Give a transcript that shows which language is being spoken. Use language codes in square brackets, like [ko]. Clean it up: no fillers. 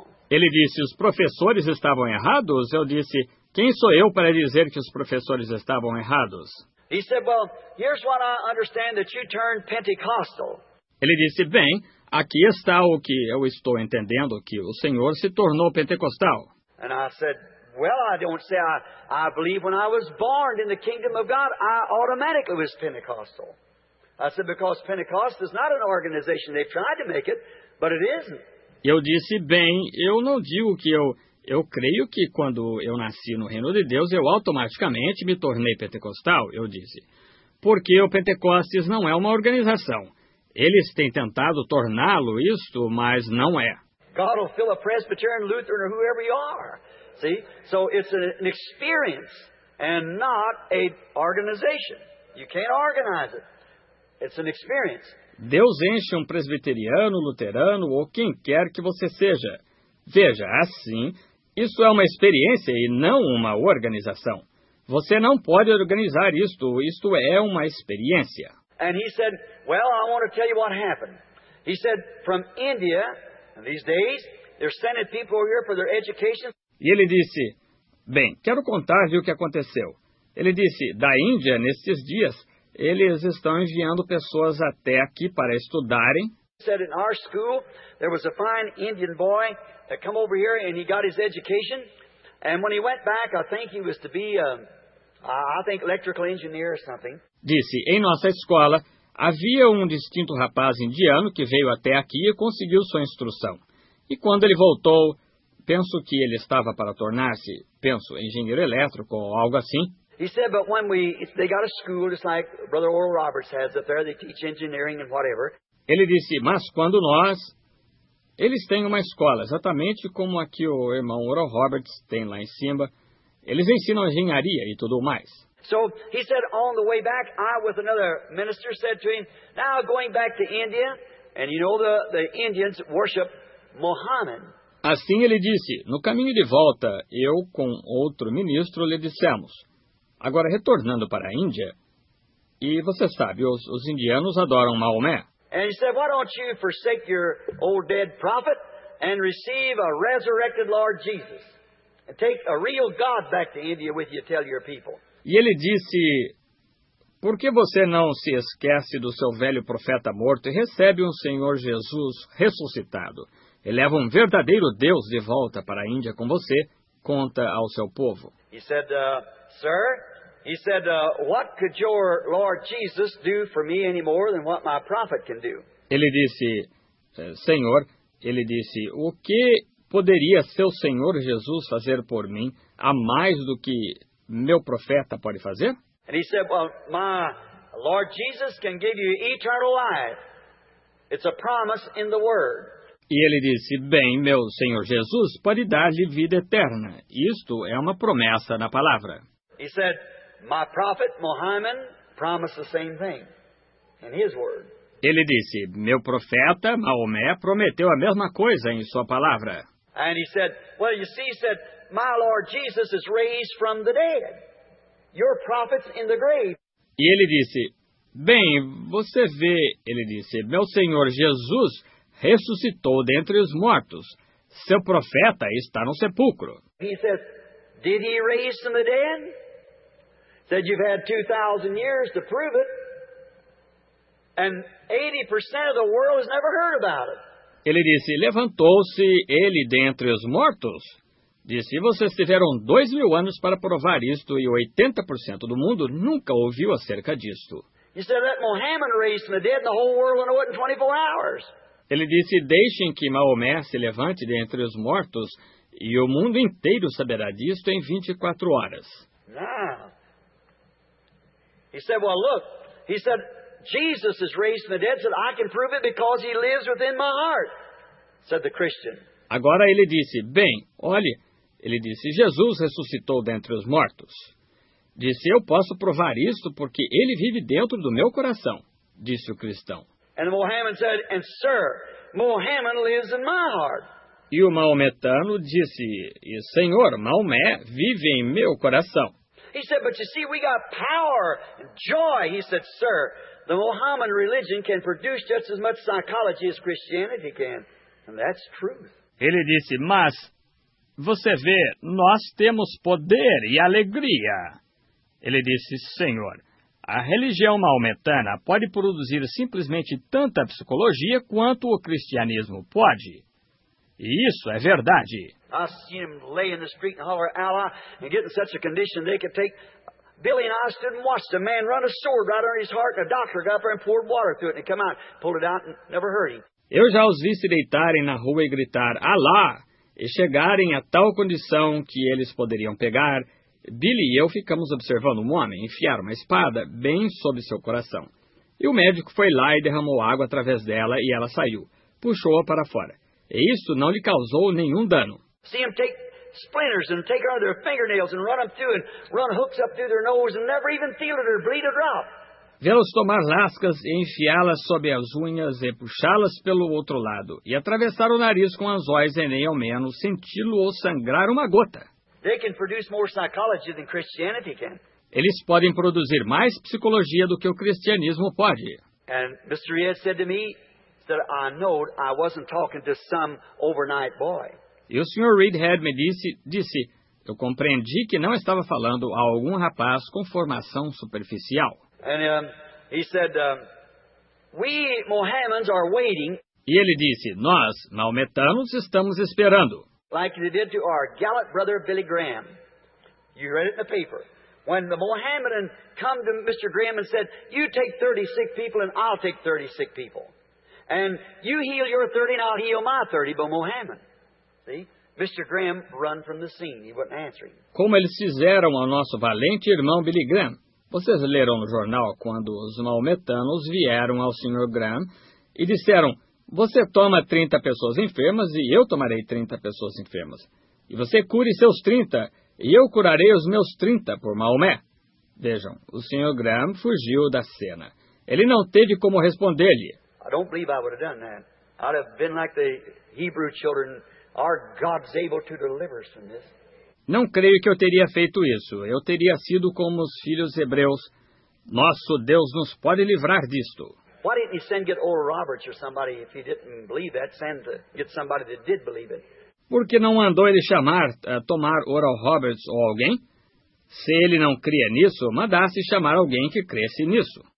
[pt] Ele disse, os professores estavam errados? Eu disse, quem sou eu para dizer que os professores estavam errados? [en] He said, well, here's what I understand that you turned Pentecostal. [pt] Ele disse, bem, aqui está o que eu estou entendendo, que o Senhor se tornou pentecostal. [en] And I said, well, I don't say I believe when I was born in the kingdom of God, I automatically was Pentecostal. I said, because Pentecost is not an organization. They've tried to make it, but it isn't. [pt] Eu disse, bem, eu não digo que eu creio que quando eu nasci no reino de Deus, eu automaticamente me tornei pentecostal, eu disse. Porque o Pentecostes não é uma organização. Eles têm tentado torná-lo isto, mas não é. [en] God will fill a Presbyterian, Lutheran, or whoever you are. See? So it's an experience and not an organization. You can't organize it. It's an experience. [pt] Deus enche um presbiteriano, luterano ou quem quer que você seja. Veja, assim, isso é uma experiência e não uma organização. Você não pode organizar isto. Isto é uma experiência. [en] And he said, well, I want to tell you what happened. He said, from India, these days, they're sending people here for their education. [pt] E ele disse, bem, quero contar-lhe o que aconteceu. Ele disse, da Índia, nestes dias, eles estão enviando pessoas até aqui para estudarem. [en] He said, in our school, there was a fine Indian boy that came over here and he got his education. And when he went back, I think he was to be, electrical engineer or something. [pt] Disse, em nossa escola, havia um distinto rapaz indiano que veio até aqui e conseguiu sua instrução. E quando ele voltou, penso que ele estava para tornar-se, penso, engenheiro elétrico ou algo assim. [en] He said, but when they got a school, just like Brother Oral Roberts has up there, they teach engineering and whatever. [pt] Ele disse, mas quando nós, eles têm uma escola, exatamente como a que o irmão Oral Roberts tem lá em cima. Eles ensinam engenharia e tudo mais. [en] So, he said, on the way back, I, with another minister, said to him, now going back to India, and you know the Indians worship Muhammad. [pt] Assim ele disse, no caminho de volta, eu com outro ministro lhe dissemos, agora retornando para a Índia, e você sabe, os indianos adoram Maomé. [en] And he said, why don't you forsake your old dead prophet and receive a resurrected Lord Jesus? And take a real God back to India with you, tell your people. [pt] E ele disse, por que você não se esquece do seu velho profeta morto e recebe um Senhor Jesus ressuscitado? E leva um verdadeiro Deus de volta para a Índia com você, conta ao seu povo. [en] He said, sir, he said, what could your Lord Jesus do for me any more than what my prophet can do? [pt] Ele disse, Senhor, ele disse, o que poderia seu Senhor Jesus fazer por mim a mais do que meu profeta pode fazer? [en] And he said, well, my Lord Jesus can give you eternal life. It's a promise in the Word. [pt] E ele disse, bem, meu Senhor Jesus pode dar-lhe vida eterna. Isto é uma promessa na palavra. [en] He said, my prophet Muhammad promised the same thing in his Word. [pt] Ele disse, meu profeta Maomé prometeu a mesma coisa em sua palavra. [en] And he said, well, you see, he said, my Lord Jesus is raised from the dead. Your prophet's in the grave. [pt] E ele disse, bem, você vê, ele disse, meu Senhor Jesus ressuscitou dentre os mortos. Seu profeta está no sepulcro. [en] He said, did he raise from the dead? Said, you've had 2,000 years to prove it. And 80% of the world has never heard about it. [pt] Ele disse, levantou-se ele dentre os mortos? Disse, vocês tiveram 2,000 anos para provar isto e 80% do mundo nunca ouviu acerca disto. [en] He said, let Muhammad raise from the dead and the whole world will know it in 24 hours. [pt] Ele disse: deixem que Maomé se levante dentre os mortos, e o mundo inteiro saberá disto em 24 horas. [en] He said, well, look. He said, Jesus is raised from the dead. Said, I can prove it because he lives within my heart. Said the Christian. [pt] Agora ele disse, bem, olhe. Ele disse, Jesus ressuscitou dentre os mortos. Disse, eu posso provar isto porque ele vive dentro do meu coração. Disse o cristão. [en] And Mohammed said, and sir, Mohammed lives in my heart. [pt] E o maometano disse, e senhor, Maomé vive em meu coração. [en] He said, but you see, we got power and joy. He said, sir, the Mohammedan religion can produce just as much psychology as Christianity can. And that's truth. [pt] Ele disse, mas você vê, nós temos poder e alegria. Ele disse, senhor, a religião maometana pode produzir simplesmente tanta psicologia quanto o cristianismo pode. E isso é verdade. [en] I seen him lay in the street and holler, Allah, and get in such a condition they could take. Billy and I stood and watched a man run a sword right under his heart, and a doctor got up there and poured water through it, and he came out, pulled it out, and never hurt him. [pt] Eu já os vi se deitarem na rua e gritar, Allah, e chegarem a tal condição que eles poderiam pegar. Billy e eu ficamos observando um homem enfiar uma espada bem sob seu coração. E o médico foi lá e derramou água através dela, e ela saiu, puxou-a para fora. E isso não lhe causou nenhum dano. [en] See him take splinters and take out their fingernails and run them through and run hooks up through their nose and never even feel it or bleed a drop. [pt] Vê-los tomar lascas e enfiá-las sob as unhas e puxá-las pelo outro lado e atravessar o nariz com anzóis e nem ao menos senti-lo ou sangrar uma gota. [en] They can produce more psychology than Christianity can. [pt] Eles podem produzir mais psicologia do que o cristianismo pode. [en] And Mr. Yed said to me, that I know I wasn't talking to some overnight boy. [pt] E o Sr. Reedhead me disse, eu compreendi que não estava falando a algum rapaz com formação superficial. [en] And he said, we Mohammedans are waiting. [pt] E ele disse, nós, maometanos, estamos esperando. [en] Like they did to our gallant brother Billy Graham. You read it in the paper. When the Mohammedan come to Mr. Graham and said, you take 30 sick people and I'll take 30 sick people. And you heal your 30 and I'll heal my 30, but Mohammed. See? Mr. Graham run from the scene. He wouldn't answer him. [pt] Como eles fizeram ao nosso valente irmão Billy Graham. Vocês leram no jornal quando os maometanos vieram ao Sr. Graham e disseram, você toma 30 pessoas enfermas e eu tomarei 30 pessoas enfermas. E você cure seus 30 e eu curarei os meus 30 por Maomé. Vejam, o Sr. Graham fugiu da cena. Ele não teve como responder-lhe. [en] I don't believe I would have done that. I'd have been like the Hebrew children. Our God's able to deliver us from this. [pt] Não creio que eu teria feito isso. Eu teria sido como os filhos hebreus. Nosso Deus nos pode livrar disto. [en] Why didn't he send get Oral Roberts or somebody if he didn't believe that? Send to get somebody that did believe it. [pt] Por que não mandou ele chamar, tomar Oral Roberts ou alguém? Se ele não cria nisso, mandasse chamar alguém que cresse nisso.